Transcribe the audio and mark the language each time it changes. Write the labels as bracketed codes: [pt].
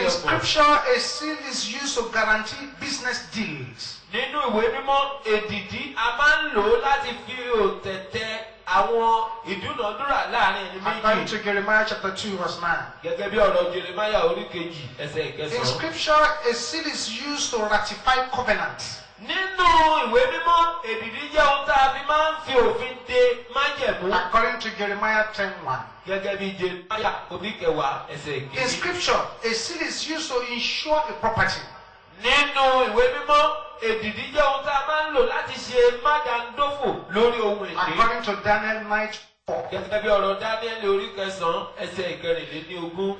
[en] In scripture a seal is used to guarantee business deals. [yo] Nínú ìwé mímọ́ èdìdí a máa ń lò láti fi òǹtẹ̀tẹ̀ àwọn ìdúnàdúrà láàrin ẹni méjì. [en] According to Jeremiah chapter 2:9. [yo] Gẹ́gẹ́ bí ọ̀rọ̀ Jeremiah orí kejì ẹsẹ̀ ìkẹsàn-án. [en] In scripture a seal is used to ratify covenant. [yo] Nínú ìwé mímọ́ èdìdí jẹ́ ohun tá a fi máa ń fi òfin de májẹ̀mú. [en] According to Jeremiah 10:1. [yo] Gẹ́gẹ́ bí Jeremiah orí kẹwàá ẹsẹ̀ ìkẹsàn-án. [en] In scripture a seal is used to ensure a property. [yo] Nínú ìwé mímọ́ edidi je ohun ta ma nlo lati se magandofo lori ohun ede. [en] According to Daniel 9:4. [yo] Gẹ́gẹ́ bí ọ̀rọ̀ Daniel orí kẹsàn-án ẹsẹ̀ ìkẹrìnlélógún.